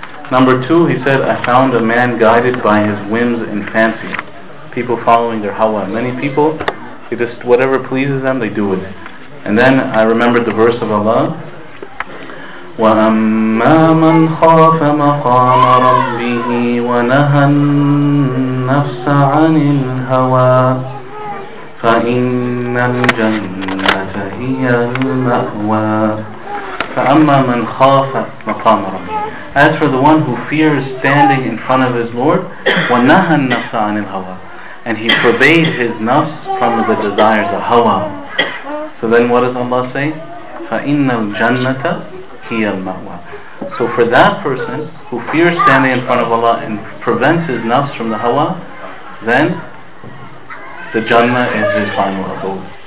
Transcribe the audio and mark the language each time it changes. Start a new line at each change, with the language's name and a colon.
English: Number two, he said, I found a man guided by his whims and fancy. People following their hawa. Many people, they just, whatever pleases them, they do it. And then I remembered the verse of Allah,
Arabic: وَأَمَّا مَنْ خَافَ مَقَامَ رَبِّهِ وَنَهَى النَّفْسَ عَنِ الْهَوَى فَإِنَّ الْجَنَّةَ هِيَ الْمَأْوَى فَأَمَّا مَنْ خَافَ مَقَامَ رَبِّهِ.
English: As for the one who fears standing in front of his Lord,
Arabic: وَنَهَى النَّفْسَ عَنِ الْهَوَى,
English: and he forbade his nafs from the desires of hawa. So then what does Allah say?
Arabic: فَإِنَّ الْجَنَّةَ هِيَ الْمَأْوَى.
English: So for that person who fears standing in front of Allah and prevents his nafs from the hawa, then the Jannah is his final abode.